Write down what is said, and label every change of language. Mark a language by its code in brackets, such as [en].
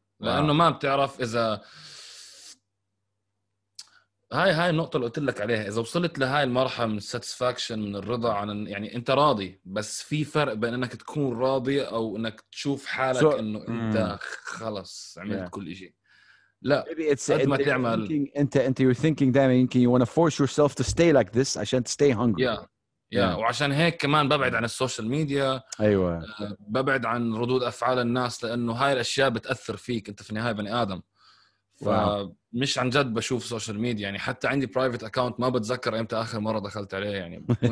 [ar] لأنه ما بتعرف إذا هاي النقطة اللي قلت لك عليها, إذا وصلت لهاي المرحلة من satisfaction من الرضا عن يعني أنت راضي, بس في فرق بين أنك تكون راضي أو أنك تشوف حالك إنه أنت خلص عملت كل إشي. لا. قد ما تعمل. أنت [en] you're thinking that maybe you want to force yourself to stay like this [ar] عشان [en] to stay hungry. Yeah. [ar] وعشان هيك كمان ببعد عن السوشيال ميديا. أيوة. ببعد عن ردود أفعال الناس لأنه هاي الأشياء بتأثر فيك أنت في النهاية بني آدم. فمش عن جد بشوف سوشيال ميديا يعني, حتى عندي برايفت أكاونت ما بتذكر إمتى آخر مرة دخلت عليه يعني.